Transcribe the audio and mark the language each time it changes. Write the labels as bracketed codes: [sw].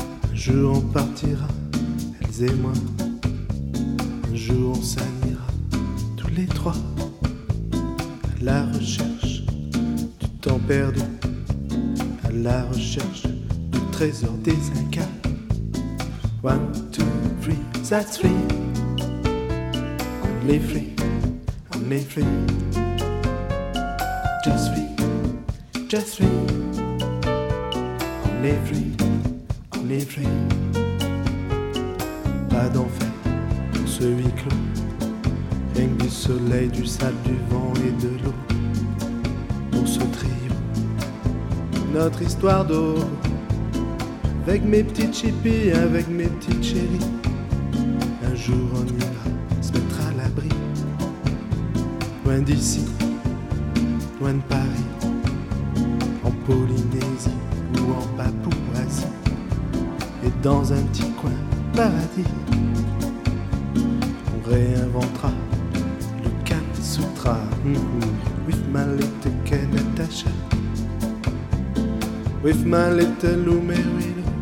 [fr] Un jour on partira, elles et moi, un jour on s'anira, tous les trois, à la recherche du temps perdu, à la recherche du trésor des Incas. [en] One, two, three, that's free. [fr] On est free, on est free. [en] Just free, just free. [fr] On est free, on est free. Pas d'enfer pour ce huis clos. Rien que du soleil, du sable, du vent et de l'eau. Pour ce trio, notre histoire d'eau. Avec mes petites chippies, avec mes petites chéries, un jour on ira se mettre à l'abri, loin d'ici, loin de Paris, en Polynésie ou en Papouasie, et dans un petit coin paradis, on réinventera le Kamasutra. [en] With my little Ken Natasha, with my little Lou Mary.